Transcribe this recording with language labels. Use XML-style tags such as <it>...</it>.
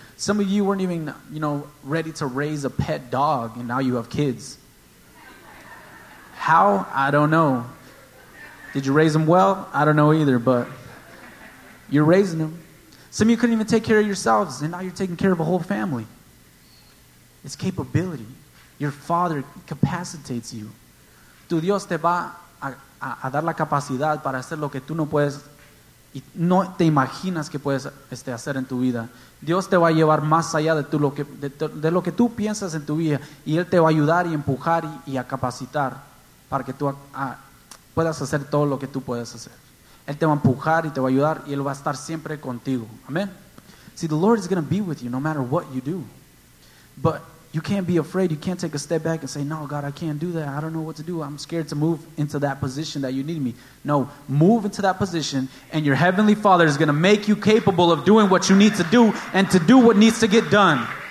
<en>Some of you weren't even, you know, ready to raise a pet dog, and now you have kids. How? I don't know. Did you raise them well? I don't know either, but you're raising them. Some of you couldn't even take care of yourselves, and now you're taking care of a whole family. It's capability. Your father capacitates you.</en> <es>Tu Dios te va a dar la capacidad para hacer lo que tú no puedes y no te imaginas que puedes hacer en tu vida. Dios te va a llevar más allá de lo que tú piensas en tu vida y Él te va a ayudar y empujar y a capacitar para que tú puedas hacer todo lo que tú puedes hacer. Él te va a empujar y te va a ayudar y Él va a estar siempre contigo. Amen.</es> <en>See, the Lord is going to be with you no matter what you do. But you can't be afraid. You can't take a step back and say, no, God, I can't do that. I don't know what to do. I'm scared to move into that position that you need me. No, move into that position, and your Heavenly Father is going to make you capable of doing what you need to do and to do what needs to get done.</en>